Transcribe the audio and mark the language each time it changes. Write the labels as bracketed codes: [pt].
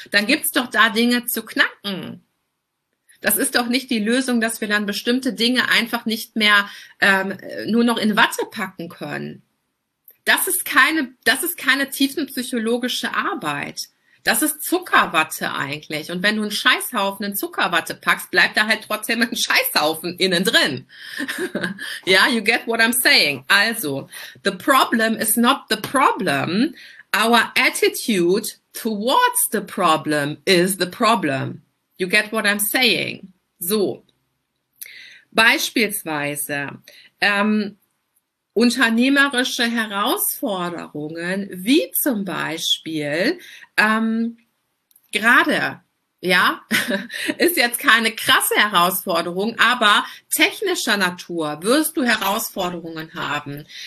[de] Dann gibt es doch da Dinge zu knacken. Das ist doch nicht die Lösung, dass wir dann bestimmte Dinge einfach nicht mehr nur noch in Watte packen können. Das ist keine tiefenpsychologische Arbeit. Das ist Zuckerwatte eigentlich. Und wenn du einen Scheißhaufen in Zuckerwatte packst, bleibt da halt trotzdem ein Scheißhaufen innen drin. [en] Ja, you get what I'm saying. Also, the problem is not the problem. Our attitude towards the problem is the problem. You get what I'm saying. So. [de] Beispielsweise, unternehmerische Herausforderungen, wie zum Beispiel gerade, ja, ist jetzt keine krasse Herausforderung, aber technischer Natur wirst du Herausforderungen haben.